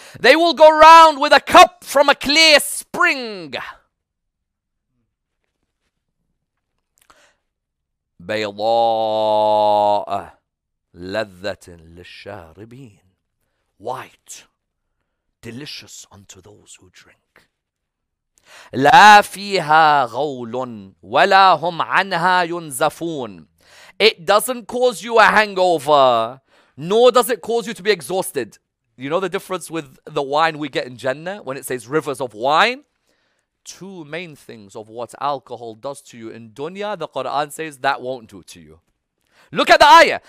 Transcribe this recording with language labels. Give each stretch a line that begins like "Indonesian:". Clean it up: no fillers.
English: They will go round with a cup from a clear spring.
Arabic: بيضاء لذة للشاربين.
English: White, delicious unto those who drink.
Arabic: لا فيها غول ولا هم عنها ينزفون.
English: It doesn't cause you a hangover, nor does it cause you to be exhausted. You know the difference with the wine we get in Jannah when it says rivers of wine? Two main things of what alcohol does to you in dunya, the Quran says that won't do to you. Look at the ayah.